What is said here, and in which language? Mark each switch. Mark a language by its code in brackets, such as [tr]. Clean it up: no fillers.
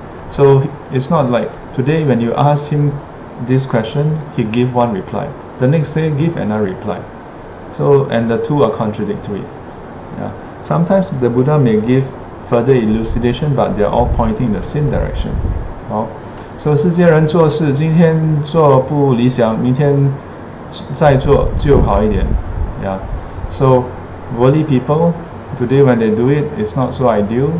[en] So it's not like today when you ask him this question, he give one reply. The next day give another reply. So and the two are contradictory. Yeah, sometimes the Buddha may give further elucidation, but they are all pointing in the same direction. [zh] 好，所以世间人做事，今天做不理想，明天再做就好一点。 [en] Yeah, so worldly people today when they do it, it's not so ideal.